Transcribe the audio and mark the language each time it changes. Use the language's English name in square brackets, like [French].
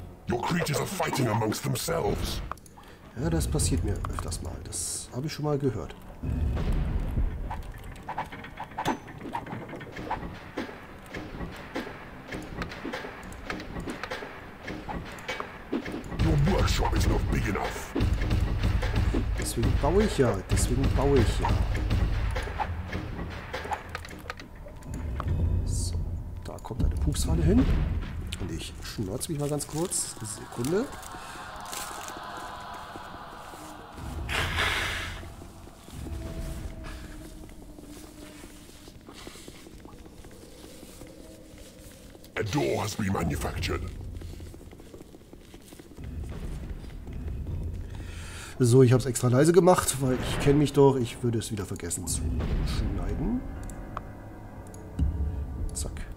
[English] Your creatures are fighting amongst themselves. [German] Ja, das passiert mir öfters mal. Das habe ich schon mal gehört. [English] Your workshop is not big enough. [German] Deswegen baue ich ja. So, da kommt eine Pupsfalle hin. Und ich schnauze mich mal ganz kurz. Eine Sekunde. [English] A door has been manufactured. [German] So, ich habe es extra leise gemacht, weil ich kenne mich doch. Ich würde es wieder vergessen zu schneiden. Zack.